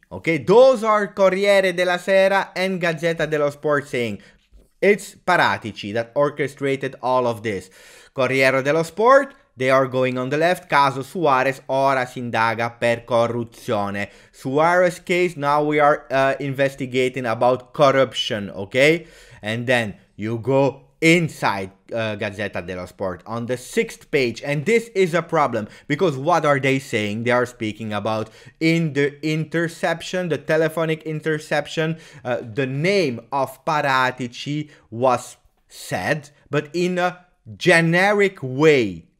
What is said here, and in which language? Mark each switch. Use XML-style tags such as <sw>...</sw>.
<en>Okay, those are Corriere della Sera and Gazzetta dello Sport saying it's Paratici that orchestrated all of this. Corriere dello Sport, they are going on the left.</en> <it>Caso Suarez, ora si indaga per corruzione.</it> <en>Suarez case, now we are investigating about corruption, okay? And then you go inside Gazzetta dello Sport on the sixth page. And this is a problem because what are they saying? They are speaking about in the interception, the telephonic interception, the name of Paratici was said, but in a generic way.</en>